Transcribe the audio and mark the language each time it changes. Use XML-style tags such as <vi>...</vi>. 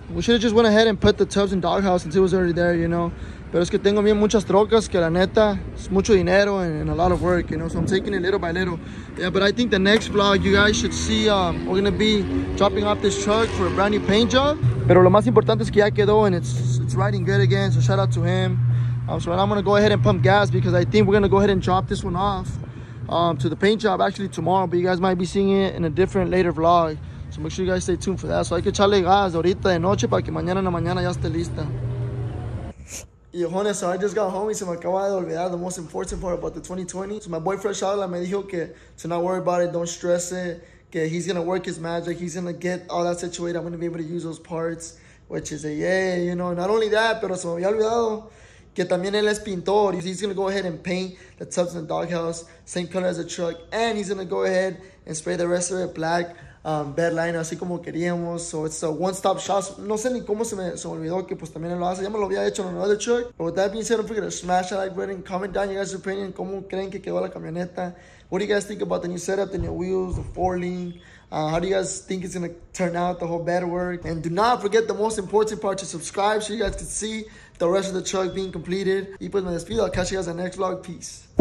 <en>We should have just went ahead and put the tubs in doghouse since it was already there, you know.</en> <es>Pero es que tengo bien muchas trocas que la neta es mucho dinero</es> <en>and a lot of work, you know. So I'm taking it little by little. Yeah, but I think the next vlog you guys should see, we're gonna be dropping off this truck for a brand new paint job.</en> <es>Pero lo más importante es que ya quedó</es> <en>and it's riding good again. So shout out to him. So now I'm gonna go ahead and pump gas because I think we're gonna go ahead and drop this one off to the paint job actually tomorrow, but you guys might be seeing it in a different later vlog, so make sure you guys stay tuned for that.</en> <es>So hay que echarle gas ahorita de noche para que mañana en la mañana ya esté lista.</es> <en>Y honey, so I just got home y</en> <es>se me acaba de olvidar</es> <en>the most important part about the 2020. So my boyfriend Shala</en> <es>me dijo que</es> <en>to not worry about it, don't stress it, que he's gonna work his magic, he's gonna get all that situated, I'm gonna be able to use those parts, which is a yay, you know. Not only that,</en> <es>pero se me había olvidado que también él es pintor.</es> <en>He's gonna go ahead and paint the tubs in the doghouse same color as the truck, and he's gonna go ahead and spray the rest of it black, bed liner,</en> <es>así como queríamos.</es> <en>So it's a one-stop shop.</en> <es>No sé ni cómo se me olvidó que pues también él lo hace. Ya me lo había hecho en</es> <en>another truck. But with that being said, don't forget to smash that like button, comment down your guys' opinion,</en> <es>cómo creen que quedó la camioneta.</es> <en>What do you guys think about the new setup, the new wheels, the four-link? How do you guys think it's gonna turn out, the whole bed work? And do not forget the most important part, to subscribe so you guys can see the rest of the truck being completed.</en> <es>Y pues me despido.</es> <en>I'll catch you guys in the next vlog. Peace.</en>